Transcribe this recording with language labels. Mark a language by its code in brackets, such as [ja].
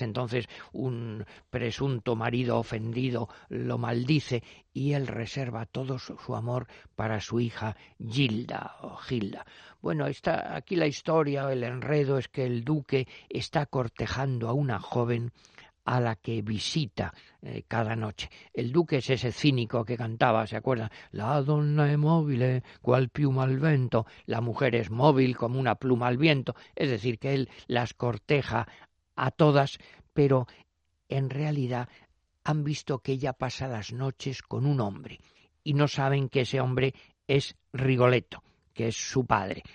[es] Entonces, un presunto marido ofendido lo maldice y él reserva todo su amor para su hija Gilda. Gilda. Bueno, está aquí la historia, el enredo es que el duque está cortejando a una joven a la que visita cada noche. El duque es ese cínico que cantaba, ¿se acuerdan? [it] La donna è mobile, qual piuma al vento. [es] La mujer es móvil como una pluma al viento. Es decir, que él las corteja a todas, pero en realidad han visto que ella pasa las noches con un hombre y no saben que ese hombre es Rigoletto, que es su padre.